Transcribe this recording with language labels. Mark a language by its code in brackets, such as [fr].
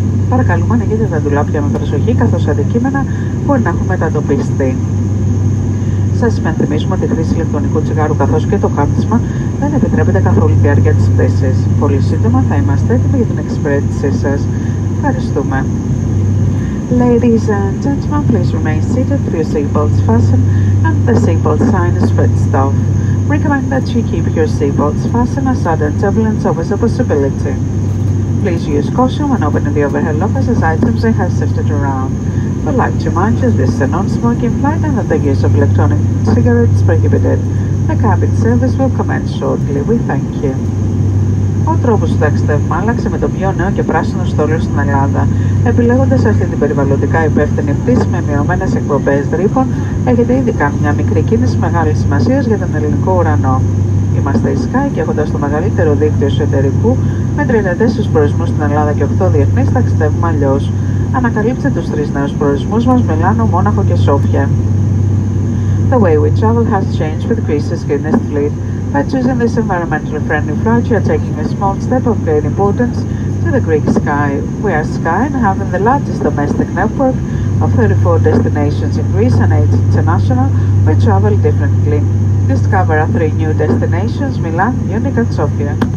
[el] Παρακαλούμε να ανοίγετε τα ντουλάπια με προσοχή καθώς αντικείμενα μπορεί να έχουν μετατοπιστεί. Σας υπενθυμίζουμε ότι η χρήση ηλεκτρονικού τσιγάρου καθώς και το κάπνισμα δεν επιτρέπεται καθόλου τη διάρκεια της πτήσης. Πολύ σύντομα θα είμαστε έτοιμοι για την εξυπηρέτησή σας. Ευχαριστούμε. [en] Ladies and gentlemen, please remain seated with your seatbelts fastened and the seatbelt sign is switched off. Recommend that you keep your seatbelts fastened as sudden turbulence is a possibility. Please use caution when opening the overhead lockers as items they have shifted around. I'd like to remind you this is a non-smoking flight and that the use of electronic cigarettes is prohibited. The cabin service will commence shortly. We thank you. [el] Ο τρόπος του ταξιδεύουμε άλλαξε με το πιο νέο και πράσινο στόλιο στην Ελλάδα. Επιλέγοντας αυτή την περιβαλλοντικά υπεύθυνη πτήση με μειωμένες εκπομπές δρύπων, έχετε ήδη κάνει μια μικρή κίνηση μεγάλης σημασίας για τον ελληνικό ουρανό. Είμαστε η Sky και έχοντας το μεγαλύτερο δίκτυο εσωτερικού, με 34 προορισμούς στην Ελλάδα και 8 διεθνείς, ταξιδεύουμε αλλιώς. Ανακαλύψτε τους 3 νέους προορισμούς μας, Μιλάνο, Μόναχο και Σόφια. [en] The way we travel has changed with Greece's greenest fleet. By choosing this environmentally friendly flight, you are taking a small step of great importance to the Greek sky. We are Sky and having the largest domestic network of 34 destinations in Greece and 8 international, we travel differently. Discover our 3 new destinations, Milan, Munich and Sofia.